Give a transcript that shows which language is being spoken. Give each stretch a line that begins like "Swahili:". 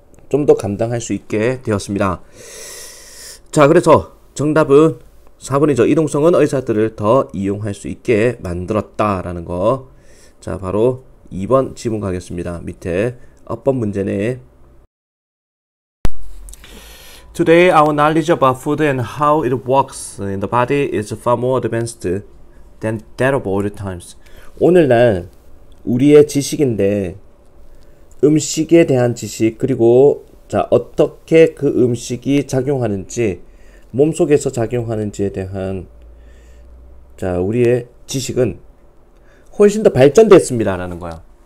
Korean: 좀더 감당할 수 있게 되었습니다. 자, 그래서 정답은 4번이죠. 이동성은 의사들을 더 이용할 수 있게 만들었다라는 거. 자, 바로 2번 지문 가겠습니다. 밑에 앞번 문제네.
English: Today, our knowledge about food and how it works in the body is far more advanced than that of old times.
Korean: 오늘날 우리의 지식인데 음식에 대한 지식, 그리고 자, 어떻게 그 음식이 작용하는지, 몸속에서 작용하는지에 대한 자, 우리의 지식은 훨씬 더 발전됐습니다라는 거야.